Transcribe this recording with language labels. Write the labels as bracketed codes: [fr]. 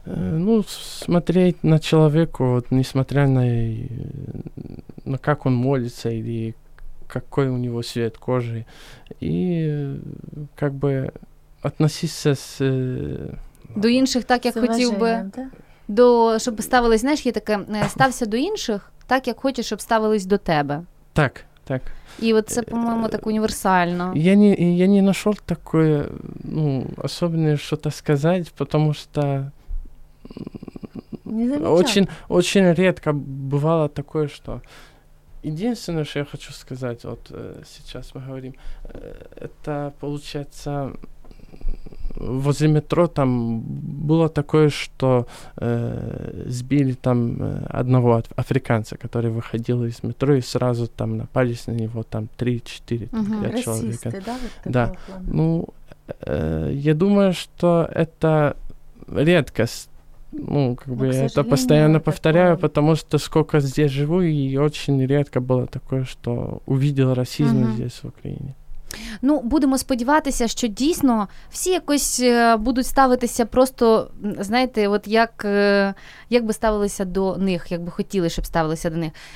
[ru] Ну, смотреть на чоловіка, от, несмотря на [uk] як він молиться, [ru] і какой у него цвет кожи, и как бы относиться с... [uk] До інших так, як хотів би. [ru] Да? [uk] До, щоб ставились, знаєш, є таке, стався до інших так, як хочеш, щоб ставились до тебе. Так, так. І от це, по-моєму, так універсально. Я не знайшов таке, ну, особливе щось сказати, тому що... [ru] Не замечав. [uk] Очень рідко бувало таке, що... [ru] Единственное, что я хочу сказать, вот сейчас мы говорим, это получается возле метро там было такое, что сбили там одного африканца, который выходил из метро, и сразу там напались на него там 3-4 человека. Расисты, да? Вот такого да. Плана. Ну, я думаю, что это редкость. Ну, как бы я это постоянно повторяю, потому что сколько здесь живу, и очень редко было такое, что увидел расизм здесь, в Украине. [uk] Ну, будемо сподіватися, що дійсно всі якось будуть ставитися просто, знаєте, от як би ставилися до них, як би хотіли, щоб ставилися до них.